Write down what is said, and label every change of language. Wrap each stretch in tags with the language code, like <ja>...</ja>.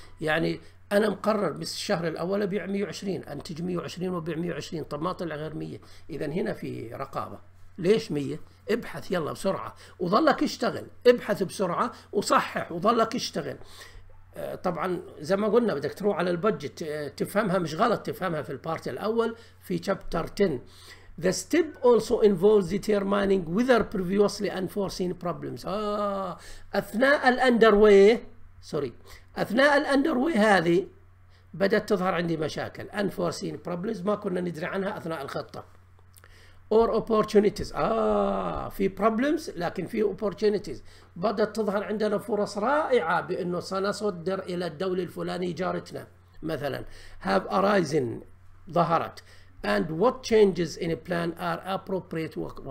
<ar>يعني أنا مقرر بس الشهر الأول أبيع 120، أنتج 120 وبيع 120، طب ما طلع غير 100، إذا هنا في رقابة، ليش 100؟ ابحث يلا بسرعة، وظلك اشتغل، ابحث بسرعة وصحح وظلك اشتغل. طبعًا زي ما قلنا بدك تروح على البادجت تفهمها مش غلط، تفهمها في البارت الأول في شابتر 10.</ar> <en>The step also involves determining whether previously unforeseen problems.</en> <ar>أثناء الأندرواي، سوري اثناء الاندر واي هذه بدات تظهر عندي مشاكل</ar> <en>unforeseen problems</en> <ar>ما كنا ندري عنها اثناء الخطه</ar> <en>or opportunities</en> <ar>في problems لكن في opportunities بدات تظهر عندنا فرص رائعه بانه سنصدر الى الدوله الفلانيه جارتنا مثلا</ar> <en>have arisen</en> <ar>ظهرت</ar> <en>and what changes in a plan are appropriate work.</en>